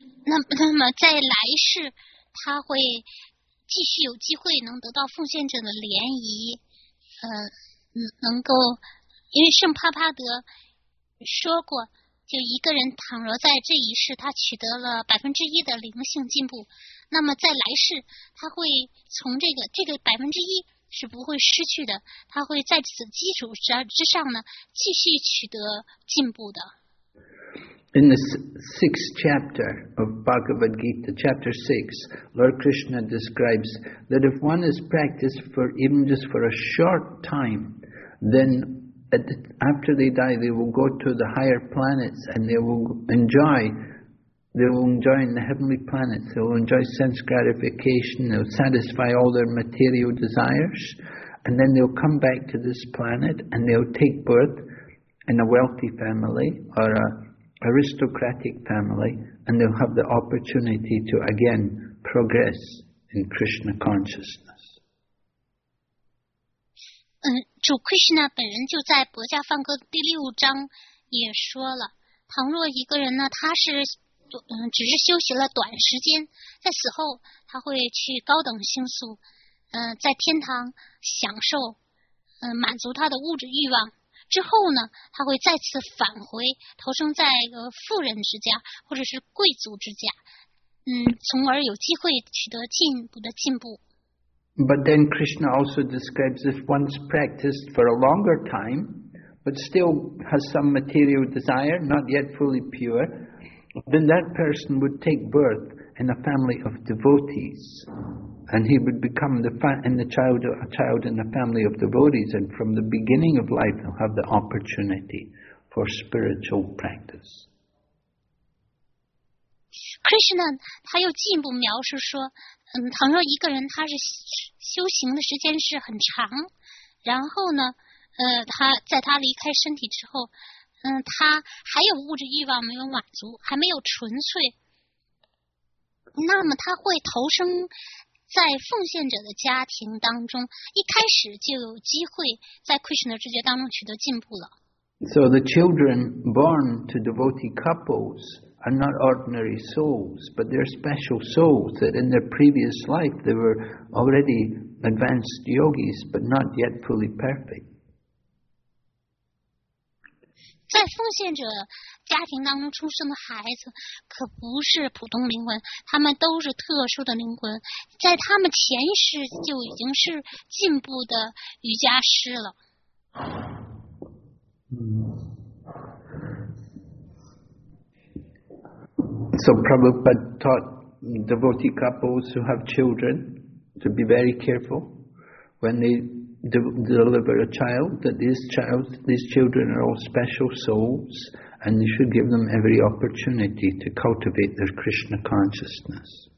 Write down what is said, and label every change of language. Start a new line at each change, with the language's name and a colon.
Chinese: 那么在来世，他会继续有机会能得到奉献者的怜悯，能够，因为圣帕帕德说过，就一个人倘若在这一世他取得了1%的灵性进步，那么在来世他会从这个1%是不会失去的，他会在此基础之上呢继续取得进步的。
English: In the sixth chapter of Bhagavad Gita, chapter 6, Lord Krishna describes that if one has practiced for even just for a short time, then after they die, they will go to the higher planets and they will enjoy. They will enjoy in the heavenly planets. They will enjoy sense gratification. They will satisfy all their material desires. And then they will come back to this planet and they will take birth in a wealthy family or an aristocratic family. And they will have the opportunity to again progress in Krishna consciousness.
Chinese: 主 Krishna 本人就在《薄伽梵歌》第六章也说了，倘若一个人呢，他是只是休息了短时间，在死后他会去高等星宿，在天堂享受，满足他的物质欲望，之后呢，他会再次返回，投生在富人之家或者是贵族之家，从而有机会取得进一步的进步。
English: But then Krishna also describes if one's practiced for a longer time, but still has some material desire, not yet fully pure, then that person would take birth in a family of devotees. And he would become a child in a family of devotees, and from the beginning of life he'll have the opportunity for spiritual practice.
Chinese: Krishna, 他又进一步描述说，倘若一个人他是修行的时间是很长，然后呢，他在他离开身体之后，他还有物质欲望没有满足，还没有纯粹，那么他会投生在奉献者的家庭当中，一开始就有机会在 Krishna 世界当中取得进步了。
English: So the children born to devotee couples. Are not ordinary souls, but they're special souls that in their previous life they were already advanced yogis, but not yet fully perfect.
Chinese: 在奉献者家庭当中出生的孩子可不是普通灵魂，他们都是特殊的灵魂，在他们前世就已经是进步的瑜伽师了。
English: So Prabhupada taught devotee couples who have children to be very careful when they deliver a child, that these children are all special souls and you should give them every opportunity to cultivate their Krishna consciousness.